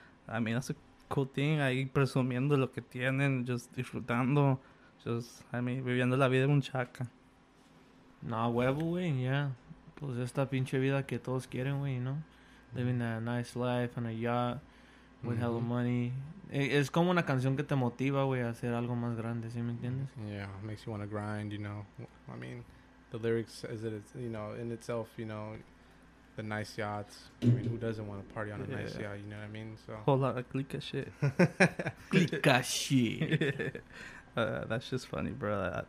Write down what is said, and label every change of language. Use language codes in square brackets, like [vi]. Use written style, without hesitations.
[en] I mean, that's a cool thing, [es] ahí presumiendo lo que tienen, just disfrutando, viviendo la vida de un chaca. Nah, huevo, güey, pues esta pinche vida que todos quieren, güey, [en] you know? Living a nice life on a yacht with hella money. [es] Es como una canción que te motiva, güey, a hacer algo más grande, ¿sí me entiendes? [en] Yeah, makes you want to grind, you know. I mean, the lyrics, is that it's, you know, in itself, you know, the nice yachts. I mean, who doesn't want to party on a nice yacht? You know what I mean? So whole lot of clica shit. Clica shit. That's just funny, bro.